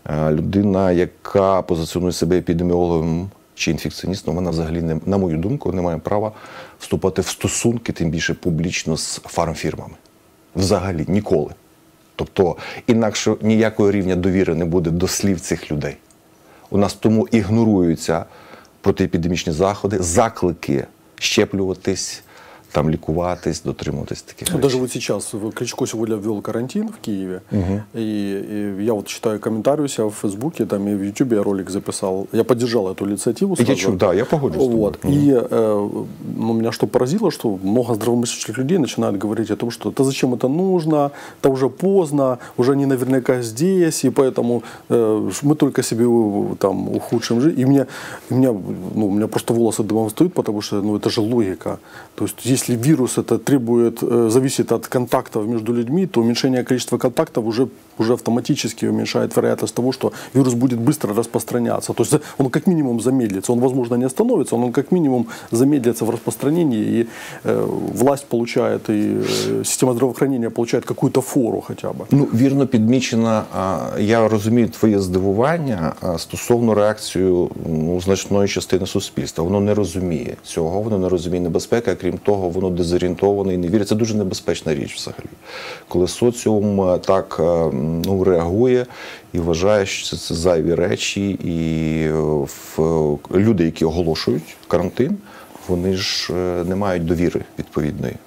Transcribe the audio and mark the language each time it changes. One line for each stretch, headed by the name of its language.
Ukrainian: Людина, яка позиціонує себе епідеміологом чи інфекціоністом, вона взагалі, на мою думку, не має права вступати в стосунки, тим більше публічно, з фармфірмами. Взагалі, ніколи. Тобто інакше ніякого рівня довіри не буде до слів цих людей. У нас тому ігноруються протиепідемічні заходи, заклики щеплюватись, там лікуватись, дотримуватись таких речей.
Russian: Даже вот сейчас Кличко сегодня ввел карантин в Киеве. И я вот читаю комментарии у себя в Фейсбуке, там и в Ютубе я ролик записал. Я поддержал эту инициативу.
Ukrainian: Сразу. Я погоджусь.
Russian: Вот. И меня что поразило, что много здравомыслящих людей начинают говорить о том, что да зачем это нужно, это уже поздно, уже они наверняка здесь, и поэтому мы только себе там ухудшим жизнь. И у меня просто волосы дымом стоят, потому что это же логика. То есть если вирус это требует, зависит от контактов между людьми, то уменьшение количества контактов уже автоматически уменьшает вероятность того, что вирус будет быстро распространяться. То есть он как минимум замедлится, он, возможно, не остановится, но он как минимум замедлится в распространении, и власть получает, и система здравоохранения получает какую-то фору хотя бы.
Ukrainian: Ну, вірно підмічено, я розумію твоє здивування стосовно реакції значної частини суспільства. Воно не розуміє цього, воно не розуміє небезпеки, крім того, воно дезорієнтоване і не вірить. Це дуже небезпечна річ взагалі. Коли соціум так реагує і вважає, що це зайві речі, і люди, які оголошують карантин, вони ж не мають довіри відповідної.